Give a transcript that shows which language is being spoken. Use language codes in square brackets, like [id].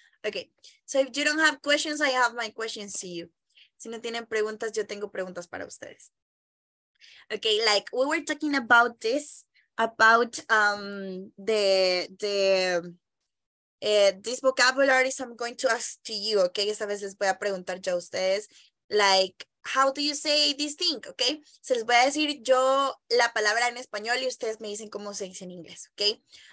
[en] Okay, so if you don't have questions, I have my questions to you. [es] Si no tienen preguntas, yo tengo preguntas para ustedes. [en] Okay, like we were talking about this, about this vocabulary, so I'm going to ask to you, okay? [es] Esta vez les voy a preguntar yo a ustedes, [en] like, how do you say this thing, okay? [es] So les voy a decir yo la palabra en español y ustedes me dicen cómo se dice en inglés, okay?